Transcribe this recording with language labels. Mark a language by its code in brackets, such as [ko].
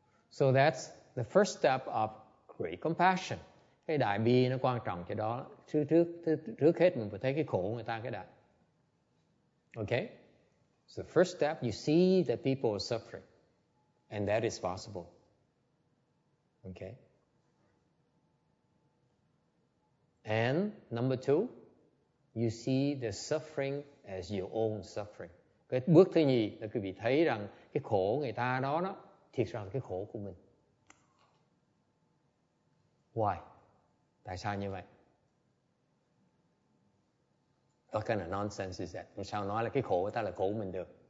[en] So that's the first step of great compassion. [vi] Cái đại bi nó quan trọng cái đó. Trước hết mình phải thấy cái khổ người ta cái đã. [en] Okay? So first step, you see that people are suffering, and that is possible. Okay. And number two, you see the suffering as your own suffering. [vi] Cái bước thứ nhì là quý vị thấy rằng cái khổ người ta đó thiệt ra là cái khổ của mình. Why? Tại sao như vậy? [en] What kind of nonsense is that? [vi] Sao nói là cái khổ người ta là khổ của mình được?